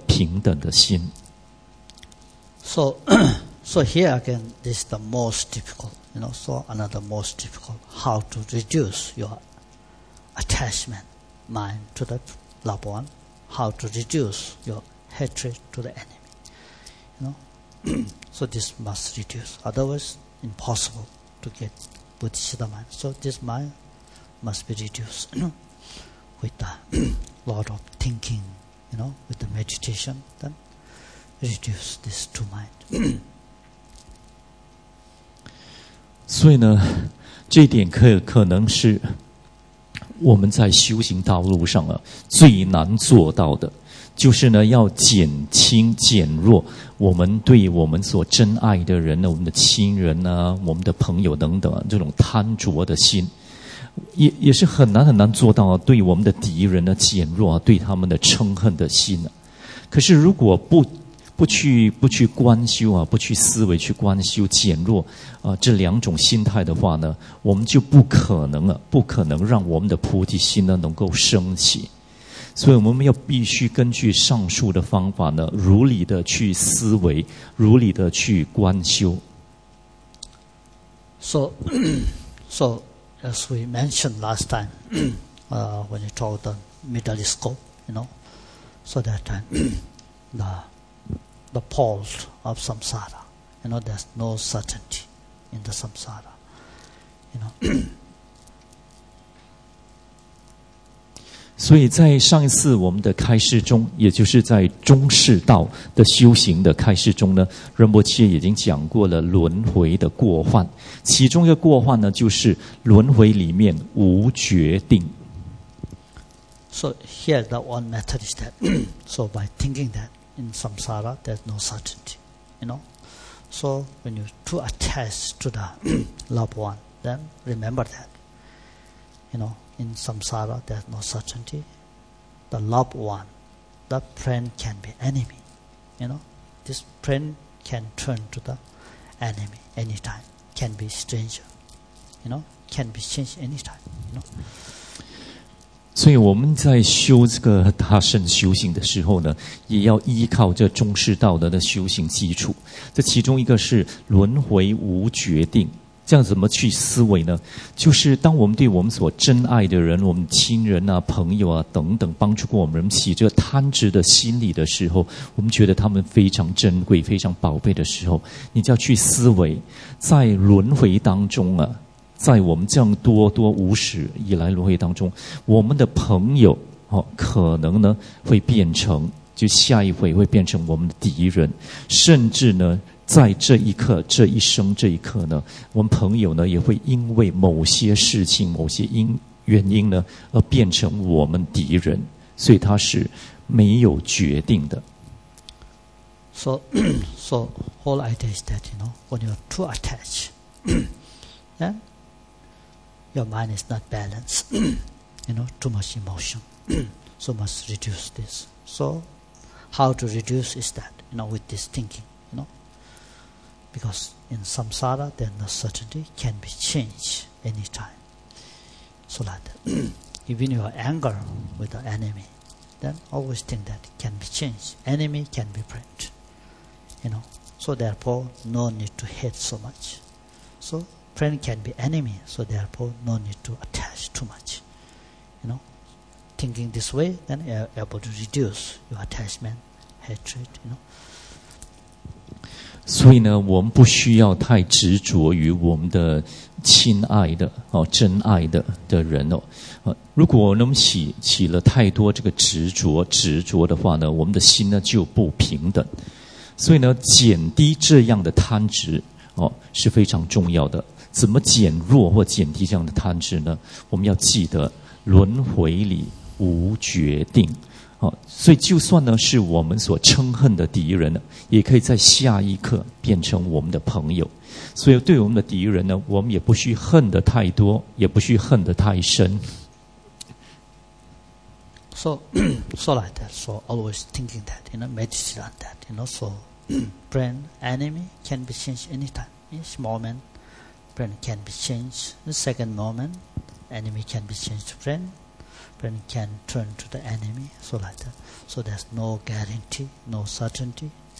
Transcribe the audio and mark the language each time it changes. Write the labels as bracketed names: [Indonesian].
[Chinese] 我们就要排除它的障碍。这升起菩提心的障碍呢，就是这个贪执，还有我们的嗔恨。如果呢，我们不阻止我们的贪执和嗔恨呢，升起的话，我们就不能顺利的升起我们的菩提心。所以呢，要想要升起或证得这个菩提心的话呢，我们就要尽力的去观修，去减弱我们的贪执的心。我们就要尽力呢，去观修减弱我们这个嗔恨的心。当我们的嗔恨、我们的贪执的心呢，能够平息的话，我们就证得或修到了这个平等的心。So [English] here again, this is the most difficult. You know, so another most difficult, how to reduce your attachment mind to the loved one, how to reduce your hatred to the enemy. You know? So this must reduce. Otherwise, impossible to get bodhicitta mind. So this mind must be reduced, you know, with the lot of thinking, you know, with the meditation, then reduce this two minds. [Chinese] 所以呢，这一点可能是 我们在修行道路上啊，最难做到的。就是呢要减轻减弱我们对我们所珍爱的人呢我们的亲人呢我们的朋友等等这种贪着的心也是很难很难做到对我们的敌人呢减弱对他们的嗔恨的心可是如果不去观修啊不去思维去观修减弱这两种心态的话呢我们就不可能让我们的菩提心呢能够升起所以我们要必须根据上述的方法呢如理的去思维如理的去观修 [English] So as we mentioned last time when you told the middle scope you know so that the poles of samsara. You know, there's no certainty in the samsara. You know. [Chinese] 所以在上一次我们的开示中，也就是在中士道的修行的开示中呢，仁波切已经讲过了轮回的过患。其中一个过患呢，就是轮回里面无决定。 [English] So here the one method is that. So by thinking that. In samsara, there's no certainty, you know. So when you to attach to the loved one, then remember that, you know, in samsara, there's no certainty. The loved one, the friend can be enemy, you know. This friend can turn to the enemy anytime, can be stranger, you know, can be changed anytime, you know. [Chinese] 所以我们在修这个大乘修行的时候呢，也要依靠这中士道德的修行基础。这其中一个是轮回无决定，这样怎么去思维呢？就是当我们对我们所珍爱的人、我们亲人啊、朋友啊等等帮助过我们起这贪执的心理的时候，我们觉得他们非常珍贵、非常宝贝的时候，你就要去思维，在轮回当中啊。在我们这样多多无始以来轮回当中，我们的朋友哦，可能呢会变成，就下一回会变成我们的敌人，甚至呢，在这一刻、这一生、这一刻呢，我们朋友呢也会因为某些事情、某些原因呢，而变成我们敌人，所以他是没有决定的。 [English] So whole idea is that you know when you're too attached, yeah. Your mind is not balanced, you know, too much emotion. So must reduce this. So how to reduce is that, you know, with this thinking, you know. Because in samsara, then the certainty can be changed anytime. So like that. Even your anger with the enemy, then always think that it can be changed. Enemy can be friend, you know. So therefore, no need to hate so much. So,Friend can be enemy, so therefore no need to attach too much. You know, thinking this way, then you're able to reduce your attachment, hatred, you know. [Chinese] 所以呢，我们不需要太执着于我们的亲爱的、哦、真爱的人哦。如果我们起了太多这个执着的话呢，我们的心呢就不平等。所以呢，减低这样的贪执哦是非常重要的。怎么减弱或减低这样的贪执呢？我们要记得轮回里无决定，所以就算呢是我们所嗔恨的敌人，也可以在下一刻变成我们的朋友。所以对我们的敌人呢，我们也不需恨得太多，也不需恨得太深。 [English] So like that. So always thinking that, you know, meditate on that, you know. So friend, enemy can be changed anytime, each moment. Friend can be changed. The second moment, enemy can be changed to friend. Friend can turn to the enemy. So like that. So there's no guarantee, no certainty.